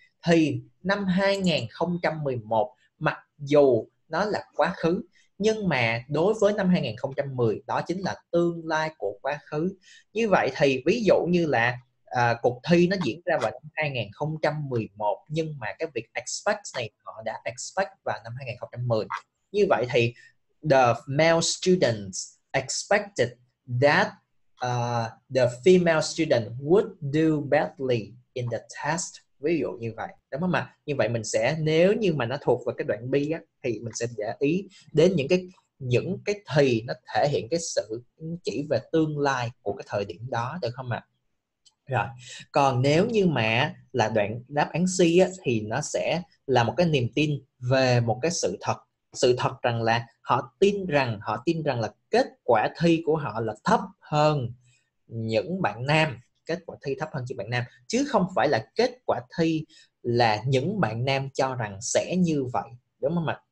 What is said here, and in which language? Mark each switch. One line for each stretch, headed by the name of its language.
Vietnamese: Thì năm 2011, mặc dù nó là quá khứ, nhưng mà đối với năm 2010, đó chính là tương lai của quá khứ. Như vậy thì ví dụ như là cuộc thi nó diễn ra vào năm 2011, nhưng mà cái việc expect này họ đã expect vào năm 2010. Như vậy thì
English: the male students expected that the female student would do badly in the test.
Vietnamese: Ví dụ như vậy, đúng không ạ? Như vậy mình sẽ, nếu như mà nó thuộc vào cái đoạn B á, thì mình sẽ để ý đến những cái thì nó thể hiện cái sự chỉ về tương lai của cái thời điểm đó, được không ạ? Rồi, còn nếu như mà là đoạn đáp án C á, thì nó sẽ là một cái niềm tin về một cái sự thật rằng là họ tin rằng là kết quả thi của họ là thấp hơn những bạn nam, kết quả thi thấp hơn những bạn nam, chứ không phải là kết quả thi là những bạn nam cho rằng sẽ như vậy, đúng không ạ?